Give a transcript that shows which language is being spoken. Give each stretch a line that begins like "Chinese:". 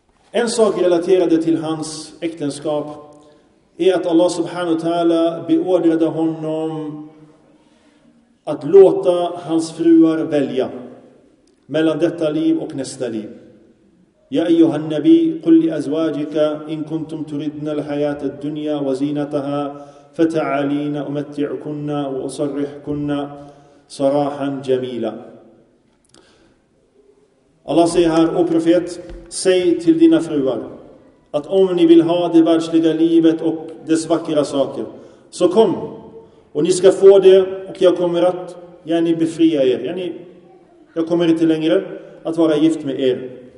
Swedish: En sak relaterade till hans äktenskap är att Allah subhanahu wa ta'ala beordrade honom att låta hans fruar välja mellan detta liv och nästa liv.
Arabic: يا أيها النبي قل لأزواجك إن كنتم تريدن الحياة الدنيا وزينتها فتعالين أمتعكن وأصرحكن صراحا جميلا.
Swedish: Allah säger här: O profet, säg till dina fruar att om ni vill ha det världsliga livet och dess vackra saker, så kom och ni ska få det, och jag kommer att yani befria er, yani jag kommer inte längre att vara gift med er.